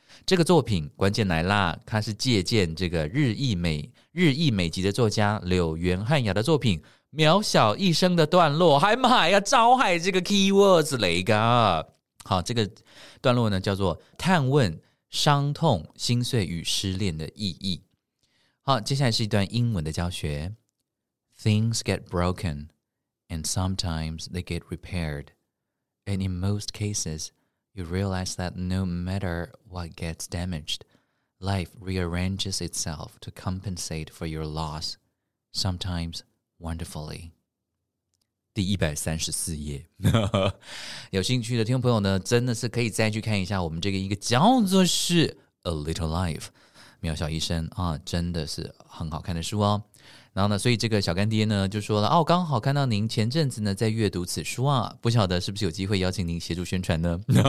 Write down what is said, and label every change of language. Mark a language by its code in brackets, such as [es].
[zh] 这个作品关键来啦，它是借鉴这个日裔美籍的作家柳原汉雅的作品《渺小一生》的段落，还买呀，招海这个 keywords 雷个。好，这个段落呢叫做探问伤痛、心碎与失恋的意义。好，接下来是一段英文的教学。 [en] Things get broken and sometimes they get repaired, and in most casesYou realize that no matter what gets damaged, life rearranges itself to compensate for your loss, sometimes wonderfully. [zh] 第134页。有兴趣的听众朋友呢，真的是可以再去看一下我们这个一个叫做是 A Little Life, 渺小一生啊，真的是很好看的书哦。然后呢，所以这个小干爹呢就说了，哦，刚好看到您前阵子呢在阅读此书啊，不晓得是不是有机会邀请您协助宣传呢？